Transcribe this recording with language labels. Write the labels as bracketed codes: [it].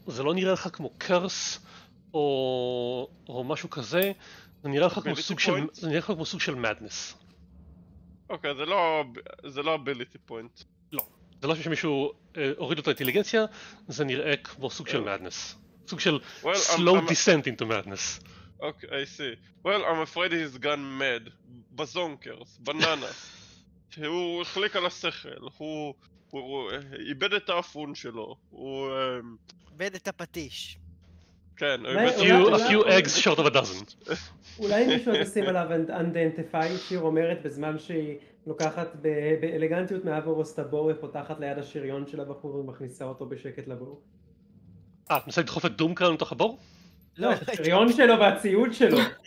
[he] זה לא נראה לך כמו curse, או משהו כזה, זה נראה לך כמו סוג של מדנס. אוקיי, זה לא ability point. לא, זה לא שמישהו הוריד אותו אינטליגנציה, זה נראה כמו סוג של מדנס. סוג של slow descent into madness. [en] אוקיי, I see. Well, I'm afraid he's gone mad. בזונקרס, בננס. [he] הוא החליק על השכל, הוא איבד את האפון שלו. הוא איבד את הפטיש. כן, [en] a few eggs short of a dozen. [he] אולי מישהו תשים עליו Undentify, שיר אומרת בזמן שהיא לוקחת באלגנטיות מעברוס את הבור ופותחת ליד השריון של הבחור ומכניסה אותו בשקט לבור. אה, את מנסה לדחוף את דום קרן לתוך הבור? לא, השריון שלו והציוד שלו.